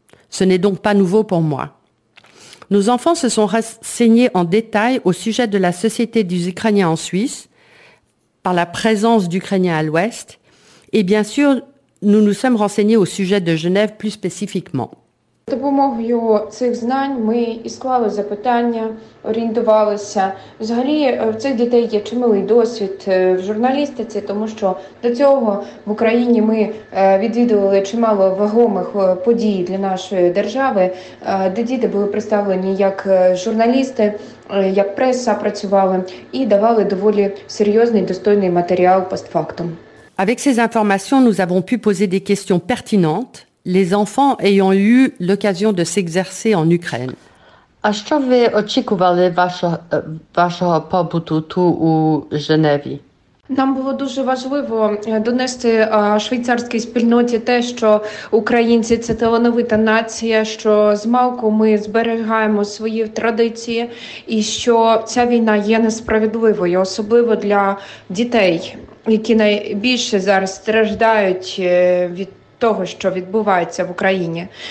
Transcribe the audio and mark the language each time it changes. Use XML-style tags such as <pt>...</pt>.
<fr>Ce n'est donc pas nouveau pour moi. Nos enfants se sont renseignés en détail au sujet de la société des Ukrainiens en Suisse, par la présence d'Ukrainiens à l'Ouest, et bien sûr, nous nous sommes renseignés au sujet de Genève plus spécifiquement.</fr> <uk>допомогою цих знань ми і склали запитання, орієнтувалися. Взагалі, в цих дітей є чималий досвід в журналістиці, тому що до цього в Україні ми відвідували чимало вагомих подій для нашої держави, де діти були представлені як журналісти, як преса працювали і давали доволі серйозний, достойний матеріал постфактум.</uk> <fr>Avec ces informations, nous avons pu poser des questions pertinentes, les enfants ayant eu l'occasion de s'exercer en Ukraine.</fr> <uk>А що ви очікували вашого побуту тут у Женеві? Нам було дуже важливо донести швейцарській спільноті те, що українці – це талановита нація, що змалку ми зберігаємо свої традиції і що ця війна є несправедливою, особливо для дітей, які найбільше зараз страждають від того, що відбувається в Україні.</uk>